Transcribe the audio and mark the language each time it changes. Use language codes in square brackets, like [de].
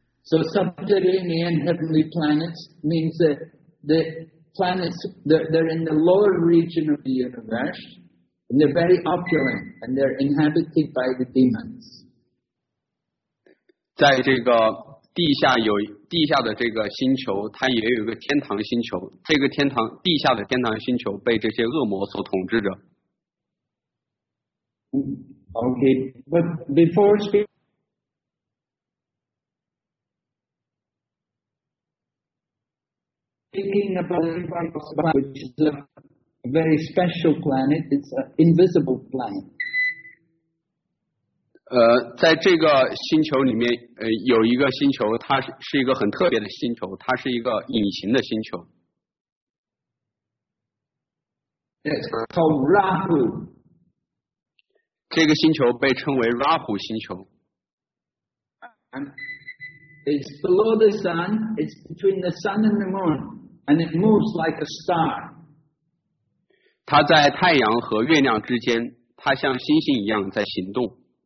[en] So subterranean heavenly planets means that the planets, they're in the lower region of the universe, and they're very opulent, and they're inhabited by the demons. [zh] 在这个地下有地下的这个星球，它也有一个天堂星球。这个天堂地下的天堂星球被这些恶魔所统治着。 [en] Okay, but before speaking about which is a very special planet, it's an invisible planet. [zh] 在这个星球里面，有一个星球，它是一个很特别的星球，它是一个隐形的星球。 [en] It's called Rahu. [zh] 这个星球被称为 Rahu 星球。 [en] And it's below the sun. It's between the sun and the moon, and it moves like a star. [zh] 它在太阳和月亮之间，它像星星一样在行动。